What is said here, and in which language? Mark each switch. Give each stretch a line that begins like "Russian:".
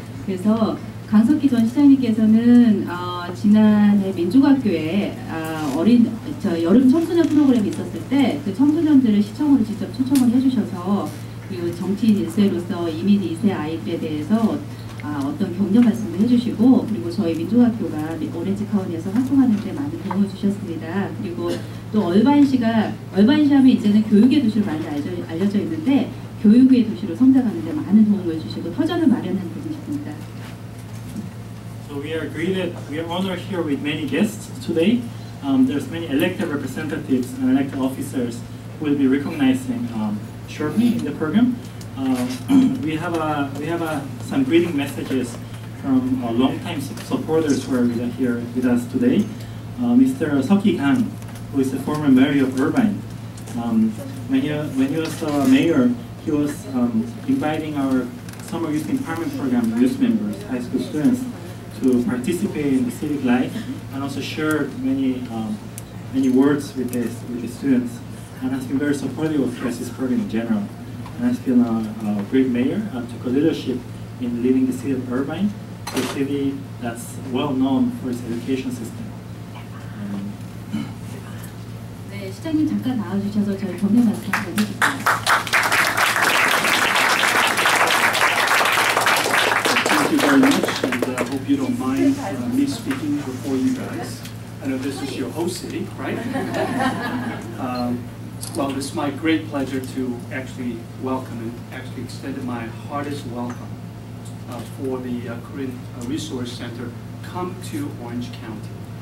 Korean: 그래서 강석희 전 시장님께서는 지난해 민족학교에 여름 청소년 프로그램이 있었을 때 그 청소년들을 시청으로 직접 초청을 해주셔서 그리고 정치인 1세로서 이민 2세 아이들에 대해서 어떤 격려 말씀을 해주시고 그리고 저희 민족학교가 오렌지 카운티에서 활동하는 데 많은 도움을 주셨습니다. 그리고 또 얼바인시 하면 이제는 교육의 도시로 많이 알려져 있는데 교육의 도시로 성장하는 데 많은 도움을 주시고 터전을 마련한 분이십니다.
English: So we are greeted, we are honored here with many guests today. There's many elected representatives and elected officers who will be recognizing shortly in the program. We have some greeting messages from long-time supporters who are here with us today. Mr. Seok-hee Kang, who is the former mayor of Irvine. When he was the mayor, he was inviting our summer youth empowerment program youth members, high school students, to participate in the civic life and also share many words with the students, and has been very supportive of this program in general. And has been a great mayor, took a leadership in leading the city of Irvine, a city that's well known for its education system.
Korean: 시장님 잠깐 나와주셔서 저희 격려 말씀 드리겠습니다.
English: Thank you very much, and I hope you don't mind me speaking before you guys. I know this is your host city, right? Well, it's my great pleasure to actually welcome and actually extend my heartiest welcome for the Korean Resource Center come to Orange County.